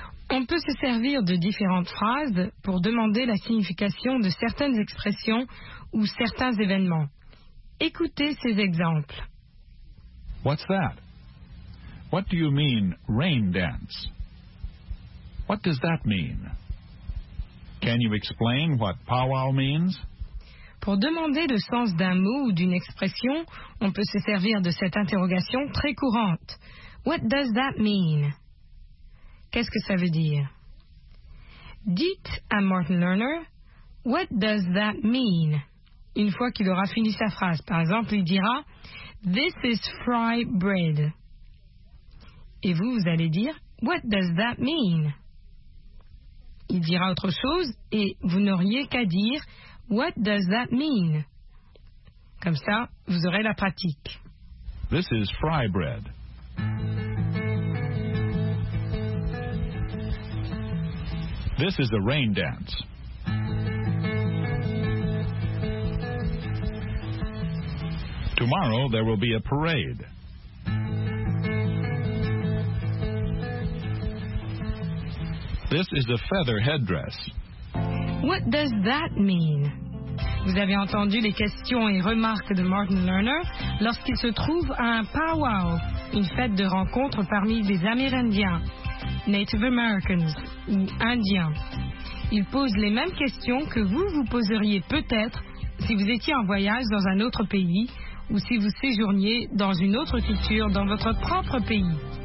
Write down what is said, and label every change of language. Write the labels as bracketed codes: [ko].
[fr] On peut se servir de différentes phrases pour demander la signification de certaines expressions ou certains événements. Écoutez ces exemples. [en] What's that? What do you mean, rain dance? What does that mean? Can you explain what powwow means? [fr] Pour demander le sens d'un mot ou d'une expression, on peut se servir de cette interrogation très courante. [en] What does that mean? [fr] Qu'est-ce que ça veut dire? Dites à [en] Martin Lerner, What does that mean? [fr] Une fois qu'il aura fini sa phrase, par exemple, il dira, [en] This is fry bread. [fr] Et vous, vous allez dire, [en] What does that mean? [fr] Il dira autre chose et vous n'auriez qu'à dire, What does that mean? Comme ça, vous aurez la pratique. [en] This is fry bread. This is a rain dance. Tomorrow there will be a parade. This is a feather headdress. What does that mean? [fr] Vous avez entendu les questions et remarques de Martin Lerner lorsqu'il se trouve à un powwow, une fête de rencontre parmi les Amérindiens, Native Americans ou Indiens. Il pose les mêmes questions que vous vous poseriez peut-être si vous étiez en voyage dans un autre pays ou si vous séjourniez dans une autre culture dans votre propre pays.